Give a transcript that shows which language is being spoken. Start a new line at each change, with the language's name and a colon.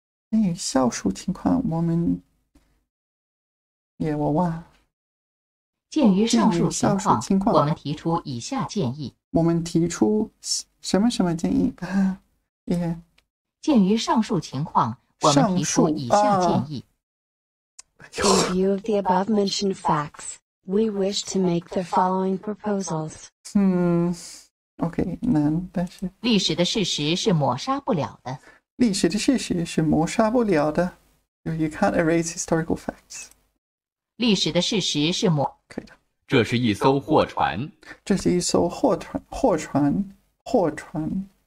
Chinese: 鉴于上述情况，我们也我忘了。鉴于上述情况，我们提出以下建议。我们提出什么什么建议？鉴于上述情况，我们提出以下建议。
English: In view of the above mentioned facts, we wish to make the following proposals.
Chinese: Okay, 难，但是历史的事实是抹杀不了的。历史的事实是抹杀不了的。
English: You can't erase historical facts.
Chinese: 历史的事实是抹可以的。这是一艘货船。这是一艘货船，货船，货船。